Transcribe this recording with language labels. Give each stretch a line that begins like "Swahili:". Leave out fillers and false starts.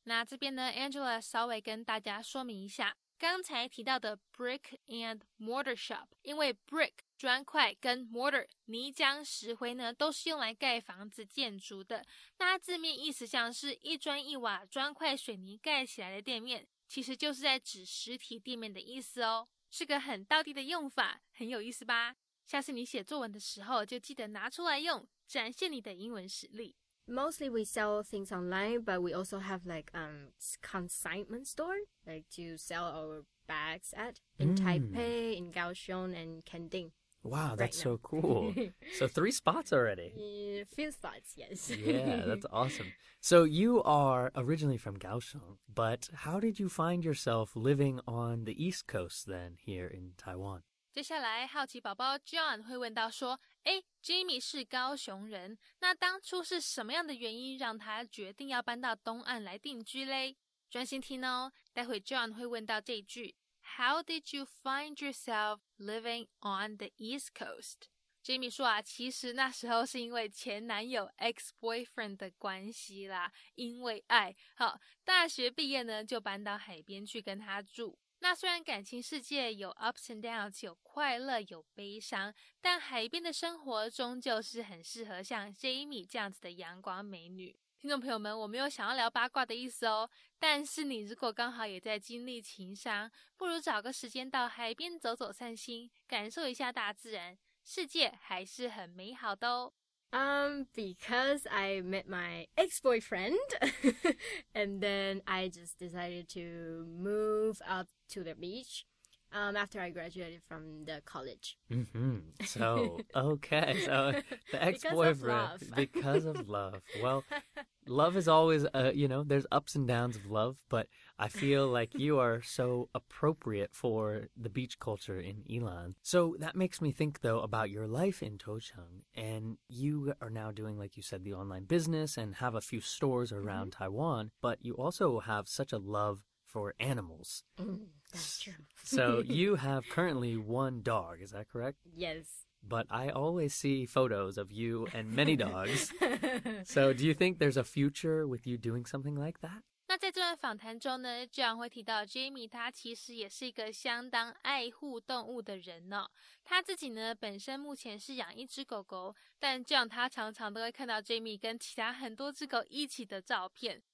Chinese: 那这边呢， Angela 稍微跟大家说明一下刚才提到的
English: brick and mortar shop，
Chinese: 因为 brick 砖块跟 mortar 泥浆石灰呢，都是用来盖房子建筑的。那字面意思像是一砖一瓦砖块水泥盖起来的店面，其实就是在指实体店面的意思哦，是个很道地的用法，很有意思吧？下次你写作文的时候就记得拿出来用，展现你的英文实力。
English: Mostly we sell things online, but we also have like consignment store, like to sell our bags at in Taipei, in Kaohsiung, and Kanding. Wow, that's so cool. So three spots already. Few spots, yes. Yeah, that's awesome. So you are originally from Kaohsiung, but how did you find yourself living on the East Coast then here in Taiwan?
Chinese: 接下来好奇宝宝 John 会问到说，诶， Jimmy 是高雄人，那当初是什么样的原因让他决定要搬到东岸来定居嘞？专心听哦，待会 John 会问到这一句
English: How did you find yourself living on the East Coast?
Chinese: Jimmy 说啊，其实那时候是因为前男友 ex-boyfriend 的关系啦，因为爱，好，大学毕业呢就搬到海边去跟他住。那虽然感情世界有
English: ups and downs,
Chinese: 有快乐有悲伤，但海边的生活终究是很适合像 Jamie 这样子的阳光美女。听众朋友们，我没有想要聊八卦的意思哦，但是你如果刚好也在经历情伤，不如找个时间到海边走走散心，感受一下大自然，世界还是很美好的哦。
English: Because I met my ex-boyfriend, and then I just decided to move up to the beach after I graduated from the college. Mm-hmm. So, okay, so the ex-boyfriend, because of love. Well, love is always, there's ups and downs of love, but I feel like you are so appropriate for the beach culture in Ilan. So that makes me think, though, about your life in Tocheng. And you are now doing, like you said, the online business and have a few stores around mm-hmm. Taiwan, but you also have such a love for animals. Mm, that's true. So you have currently one dog, is that correct? Yes. But I always see photos of you and many dogs. So do you think there's a future with you doing something like that?
Chinese: 那在这段访谈中呢，这样会提到 Jamie 他其实也是一个相当爱护动物的人呢、哦。他自己呢本身目前是养一只狗狗，但这样他常常都会看到 Jamie 跟其他很多只狗一起的照片。